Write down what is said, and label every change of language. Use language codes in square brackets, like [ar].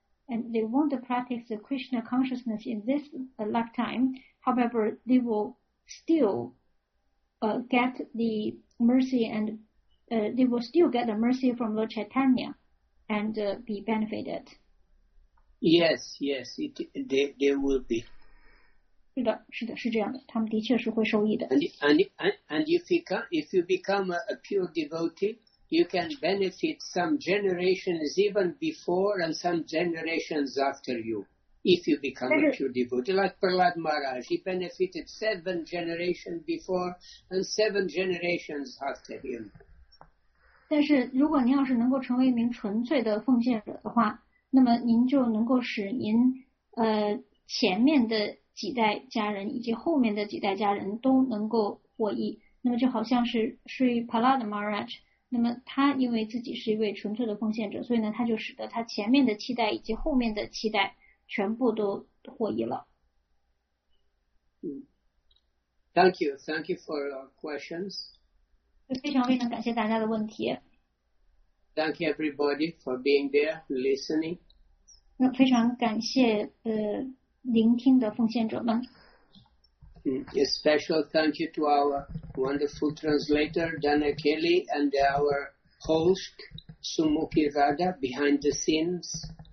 [en] and they won't practice the Krishna consciousness in this lifetime, however, they will still get the mercy and they will still get the mercy from Lord Chaitanya and be benefited. Yes, they will be. [zh] 是的，是这样的，他们的确是会受益的。 [en] And if you become a pure devotee, you can benefit some generations even before and some generations after you. If you become a pure devotee, like Prahlad Maharaj, he benefited 7 generations before and 7 generations after him. [zh] 但是如果您要是能够成为一名纯粹的奉献者的话，那么您就能够使您前面的几代家人以及后面的几代家人都能够获益，那么就好像是 Sri Prahlad Maharaj， 那么他因为自己是一位纯粹的奉献者，所以呢，他就使得他前面的七代以及后面的七代全部都获益了。 [en] Thank you for your questions. [zh] 非常非常感谢大家的问题。 [en] Thank you everybody for being there, listening. [zh] 那非常感谢聆听的奉献者们。 [en] A special thank you to our wonderful translator, Dana Kelly, and our host, Sumukhi Rada, behind the scenes.